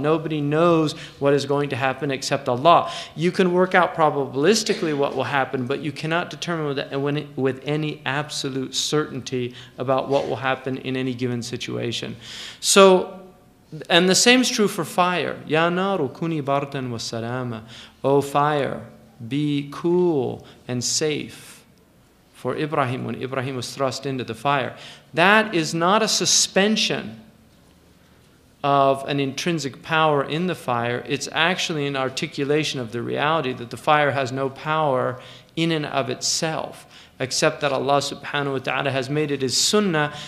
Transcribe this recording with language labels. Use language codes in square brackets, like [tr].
[en] Nobody knows what is going to happen except Allah. You can work out probabilistically what will happen, but you cannot determine with any absolute certainty about what will happen in any given situation. So, and the same is true for fire. [ar] يا نار كوني باردا وسلاما. [en] O fire, be cool and safe. For Ibrahim, when Ibrahim was thrust into the fire. That is not a suspension of an intrinsic power in the fire. It's actually an articulation of the reality that the fire has no power in and of itself, except that Allah subhanahu wa ta'ala has made it his sunnah.